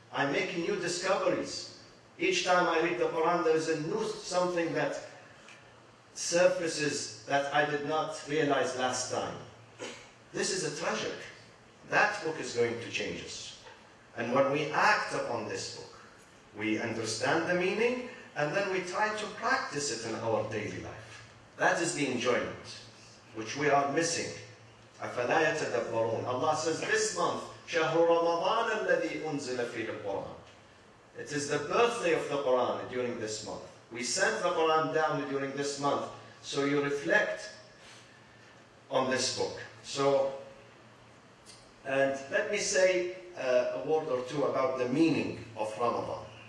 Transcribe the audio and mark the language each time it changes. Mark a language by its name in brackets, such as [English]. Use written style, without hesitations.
[English] I'm making new discoveries. Each time I read the Quran, there is a new something that surfaces that I did not realize last time. This is a treasure. That book is going to change us. And when we act upon this book, we understand the meaning, and then we try to practice it in our daily life. That is the enjoyment, which we are missing. [Arabic] أَفَلَا يَتَدَبَّرُونَ. Allah says, this month, شَهْرُ رَمَضَانَ الَّذِي أُنزِلَ فِي الْقُرْآنِ. [English] It is the birthday of the Quran during this month. We sent the Quran down during this month, so you reflect on this book. So, and let me say a word or two about the meaning of Ramadan.